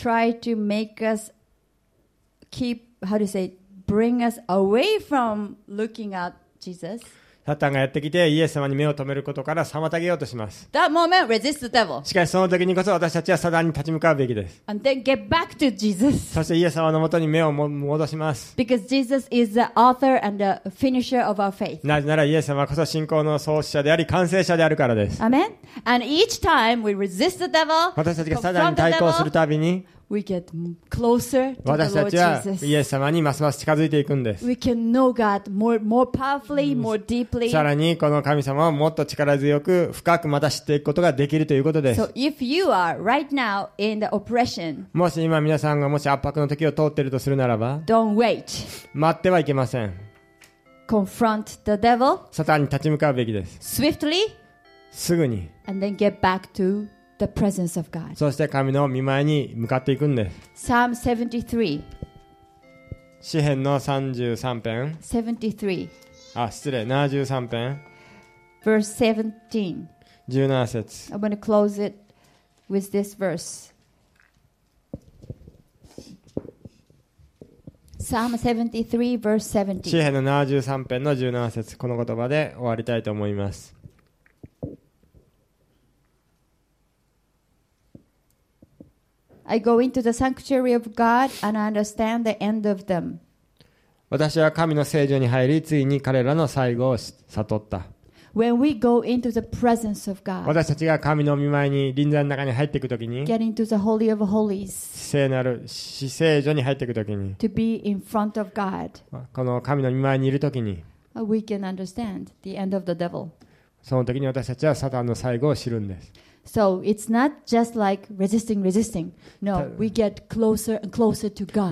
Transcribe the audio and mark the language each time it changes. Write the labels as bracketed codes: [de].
[en] Try to make us keep, how do you say, bring us away from looking at Jesus. [ja] サタンがやってきてイエス様に目を止めることから妨げようとします。 [en] That moment, resist the devil. [ja] しかしその時にこそ私たちはサタンに立ち向かうべきです。 [en] And then get back to Jesus. [ja] そしてイエス様の元に目を戻します。 [en] Because Jesus is the author and the finisher of our faith. [ja] なぜならイエス様こそ信仰の創始者であり完成者であるからです。 [en] Amen. And each time we resist the devil, [ja] 私たちがサタンに対抗するたびに、 [en] We get closer to the Lord Jesus. [ja] イエス様にますます近づいていくんです。 [en] We can know God more powerfully, more deeply. [ja] さらにこの神様をもっと力強く深くまた知っていくことができるということです。 [en] So if you are right now in the oppression, [ja] もし今皆さんがもし圧迫の時を通っているとするならば、 [en] Don't wait. [ja] 待ってはいけません。 [en] Confront the devil. [ja] サタンに立ち向かうべきです。 [en] Swiftly. [ja] すぐに。 [en] And then get back to The presence of God. [ja] そして神の御前に向かっていくんです。 [en] Psalm 73. [ja] 詩編の33編。73編。 [en] Verse 17. [ja] 17節。 [en] I'm going to close it with this verse. Psalm 73, verse 17. [ja] 詩編の73編の17節。この言葉で終わりたいと思います。 [en] I go into the sanctuary of God and understand the end of them. [ja] 私は神の聖所に入り、ついに彼らの最後を悟った。 [en] When we go into the presence of God, [ja] 私たちが神の御前に臨在の中に入っていくときに、 [en] get into the holy of holies, [ja] 聖なる至聖所に入っていくときに、 [en] to be in front of God, [ja] この神の御前にいるときに、 [en] we can understand the end of the devil. [ja] そのときに私たちはサタンの最後を知るんです。 [en] So it's not just like resisting. No, we get closer and closer to God.